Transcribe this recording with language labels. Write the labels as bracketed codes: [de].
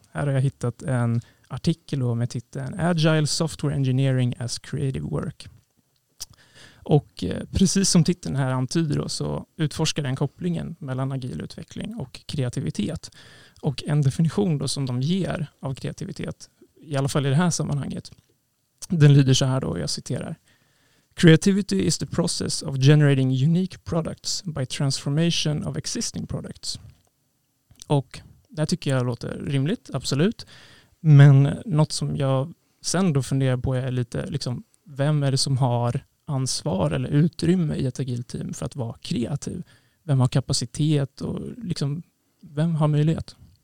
[sv] Här har jag hittat en artikel då med titeln Agile Software Engineering as Creative Work. Och precis som titeln här antyder då, så utforskar den kopplingen mellan agil utveckling och kreativitet. Och en definition då som de ger av kreativitet, i alla fall i det här sammanhanget, den lyder så här då, jag citerar. [en] Creativity is the process of generating unique products by transformation of existing products. [sv] Och det tycker jag låter rimligt, absolut. Men något som jag sen då funderar på är lite, liksom, vem är det som har ansvar eller utrymme i ett agilt team för att vara kreativ? Vem har kapacitet och liksom, vem har möjlighet?